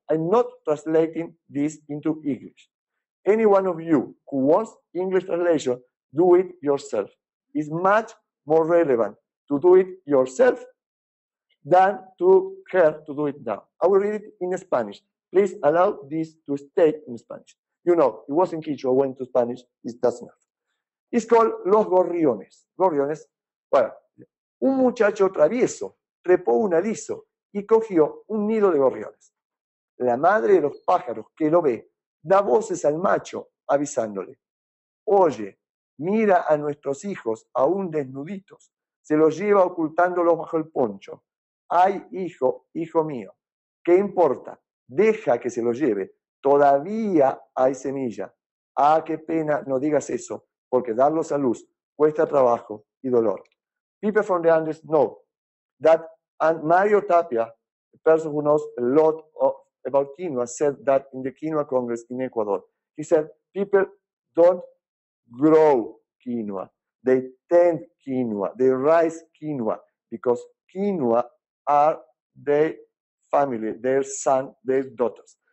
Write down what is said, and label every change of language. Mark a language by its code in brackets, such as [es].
[en] I'm not translating this into English. Any one of you who wants English translation, do it yourself. It's much more relevant to do it yourself than to her to do it now. I will read it in Spanish. Please allow this to stay in Spanish. You know, it wasn't Quechua, went to Spanish, it doesn't matter. It's called Los Gorriones. [es] Gorriones, bueno, un muchacho travieso trepó un aliso y cogió un nido de gorriones. La madre de los pájaros que lo ve da voces al macho avisándole, oye, mira a nuestros hijos aún desnuditos, se los lleva ocultándolos bajo el poncho. Ay, hijo, hijo mío, ¿qué importa? deja que se lo lleve. Todavía hay semilla. Ah, qué pena, no digas eso, porque darlos a luz cuesta trabajo y dolor. [en] People from the Andes know that, and Mario Tapia, a person who knows a lot of, about quinoa, said that in the Quinoa Congress in Ecuador. He said, people don't grow quinoa. They tend quinoa, they raise quinoa, because quinoa are their family, their son, their daughters.